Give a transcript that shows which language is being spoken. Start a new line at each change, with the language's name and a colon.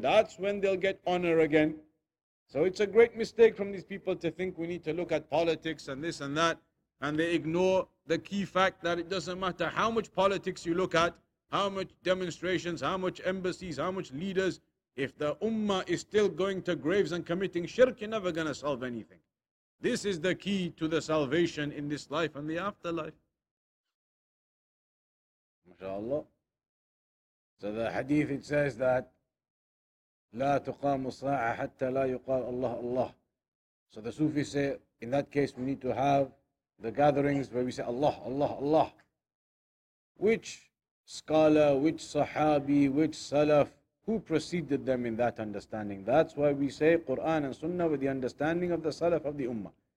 English: That's when they'll get honor again. So it's a great mistake from these people to think we need to look at politics and this and that, and they ignore the key fact that it doesn't matter how much politics you look at, how much demonstrations, how much embassies, how much leaders, if the ummah is still going to graves and committing shirk, you're never going to solve anything. This is the key to the salvation in this life and the afterlife. MashaAllah. So the hadith, it says that
Arabic: لا تقام الصاعة حتى لا يقال الله الله.
English: So the Sufis say, in that case, we need to have the gatherings where we say Allah, Allah, Allah. Which scholar, which sahabi, which salaf, who preceded them in that understanding? That's why we say Quran and Sunnah with the understanding of the salaf of the ummah.